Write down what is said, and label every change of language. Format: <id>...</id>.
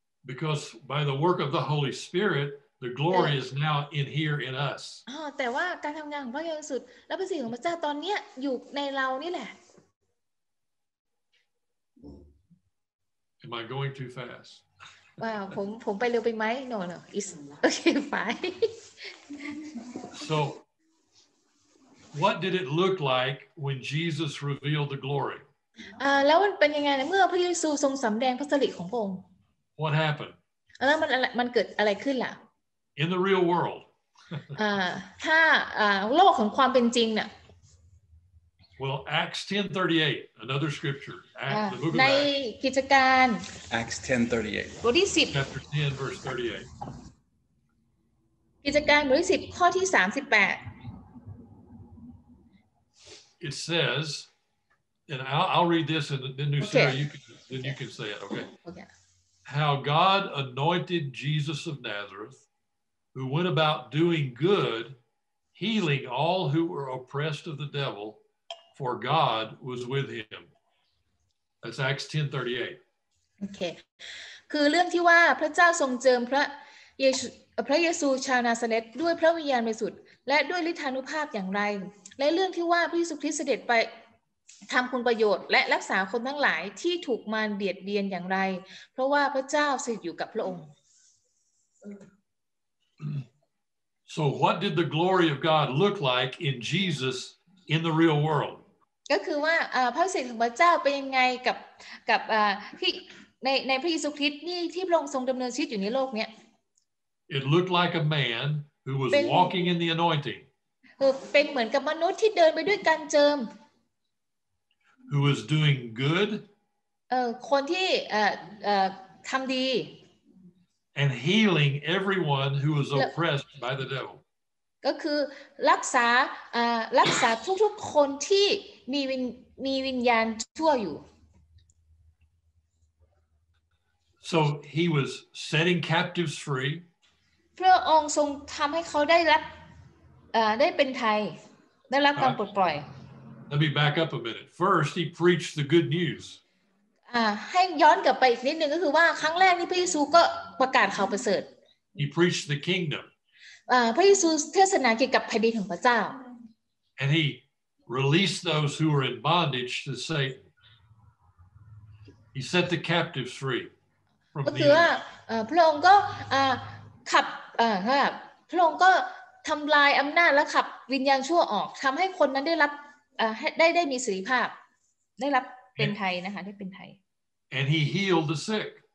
<en>Because by the work of the Holy Spirit, the glory is now in here in us.</en> <th>แต่ว่าการทำงานของพระเยซูสุดแล้วพระสิริของพระเจ้าตอนนี้อยู่ในเรานี่แหละ</th> <en>Am I going too fast?</en> <th>ว่าผมไปเร็วไปไหม</th> <en>no is okay fine so what did it look like when Jesus revealed the glory</en> <th>แล้วมันเป็นยังไงเมื่อพระเยซูทรงสำแดงพระสิริของพระองค์</th> <en>what happened</en> <th>แล้วมันเกิดอะไรขึ้นล่ะ</th> <en>in the real world</en> <th>ถ้าโลกของความเป็นจริงน่ะ</th> <en>well Acts 10:38 another scripture</en> <th>ในกิจการ</th> <en>Acts 10:38</en> <th>บทที่10</th> <en>Chapter 10 verse 38</en> <th>กิจการบทที่10ข้อที่38</th> <en>It says and I'll read this in the New Sarah okay. you can say it okay How God anointed Jesus of Nazareth who went about doing good healing all who were oppressed of the devil for God was with himThat's Acts 10:38. Okay.</en> <th>คือเรื่องที่ว่าพระเจ้าทรงเจิมพระเยซูชาวนาซาเรตด้วยพระวิญญาณบริสุทธิ์และด้วยฤทธานุภาพอย่างไรและเรื่องที่ว่าพระเยซูคริสต์เสด็จไปทำคุณประโยชน์และรักษาคนทั้งหลายที่ถูกมารเบียดเบียนอย่างไรเพราะว่าพระเจ้าสถิตอยู่กับพระองค์</th> <en>So what did the glory of God look like in Jesus in the real world?</en> <th>ก็คือว่าพระสิริของพระเจ้าเป็นยังไงกับที่ในพระเยซูคริสต์นี่ที่พระองค์ทรงดำเนินชีวิตอยู่ในโลกเนี้ย</th> <en>It looked like a man who was walking in the anointing.</en> <th>เป็นเหมือนกับมนุษย์ที่เดินไปด้วยการเจิม</th> <en>Who was doing good?</en> <th>คนที่ทำดี</th> <en>And healing everyone who was oppressed by the devil.</en> <th>ก็คือรักษาทุกๆคนที่มีวิญญาณชั่วอยู่</th> <en>So he was setting captives free.</en> <th>พระองค์ทรงทำให้เขาได้รับได้เป็นไทยได้รับการปลดปล่อย</th> <en>Let me back up a minute. First, he preached the good news.</en> <th>ให้ย้อนกลับไปอีกนิดนึงก็คือว่าครั้งแรกนี่พระเยซูก็ประกาศข่าวประเสริฐ</th> <en>He preached the kingdom</en> <th>พระเยซูเทศนาเกี่ยวกับแผ่นดินของพระเจ้า</th> <en>And he released those who were in bondage to Satan He set the captives free</en> <th>ก็คือว่าพระองค์ก็ขับพระองค์ก็ทำลายอำนาจและขับวิญญาณชั่วออกทำให้คนนั้นได้รับได้มีเสรีภาพได้รับเป็นไทยนะคะได้เป็นไทย</th> <en>And he healed the sick</en>